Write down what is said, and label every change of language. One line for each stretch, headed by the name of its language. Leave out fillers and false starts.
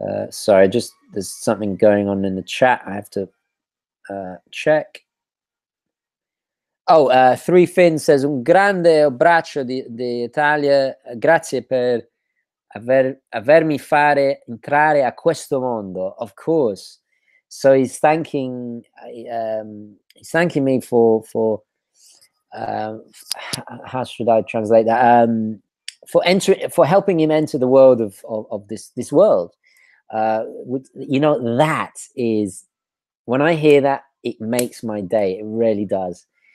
English: Sorry, just there's something going on in the chat. I have to check. Oh, Three Finn says,
Italian: un grande abbraccio di Italia, grazie per avermi fare entrare a questo mondo.
English: Of course. So he's thanking me for helping him enter the world of this world. You know, that is, when I hear that, it makes my day. It really does.